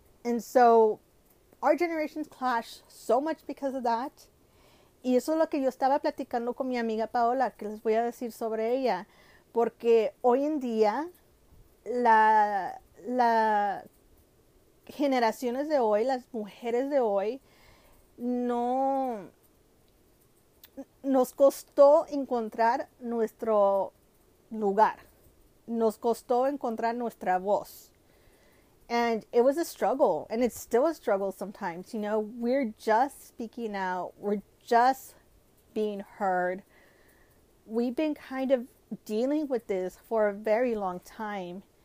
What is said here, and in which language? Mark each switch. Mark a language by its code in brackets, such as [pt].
[en] And so our generations clash so much because of that. [es] Y eso es lo que yo estaba platicando con mi amiga Paola, que les voy a decir sobre ella. Porque hoy en día, la generaciones de hoy, las mujeres de hoy, no nos costó encontrar nuestro lugar. Nos costó encontrar nuestra voz. [en] And it was a struggle, and it's still a struggle sometimes. We're just speaking out. We're just being heard. We've been kind of dealing with this for a very long time.